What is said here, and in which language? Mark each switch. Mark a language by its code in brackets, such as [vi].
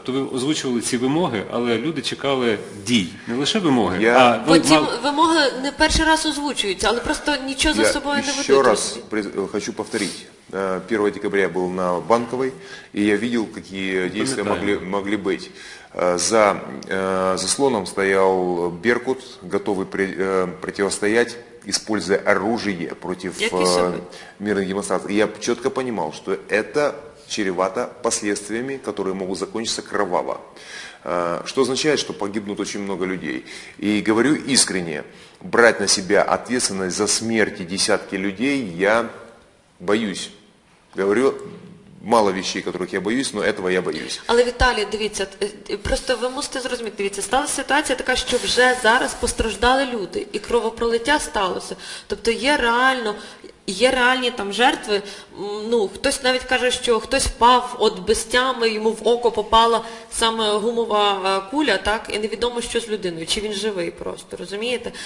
[uk] Тобто ви озвучували ці вимоги, але люди чекали дій. Не лише вимоги, вимоги не перший раз озвучуються, але просто нічого за собою не ведуть. Ще раз хочу повторити. [ru] 1 декабря [uk] я був на Банковій, і я бачив, які дії могли бути. За заслоном стояв Беркут, готовий протистояти, [ru] используя оружие против мирных демонстраций. Я четко понимал, что это чревато последствиями, которые могут закончиться кроваво. Что означает, что погибнут очень много людей. И говорю искренне, брать на себя ответственность за смерти десятки людей я боюсь. Говорю, мало вещей, которых я боюсь, но этого я боюсь. [uk] Але, Віталій, дивіться, просто ви мусите зрозуміти, дивіться, сталася ситуація така, що вже зараз постраждали люди, і кровопролиття сталося. Тобто є реальні там жертви, ну, хтось навіть каже, що хтось впав от без тями, йому в око попала саме гумова куля, так, і невідомо, що з людиною, чи він живий просто, розумієте?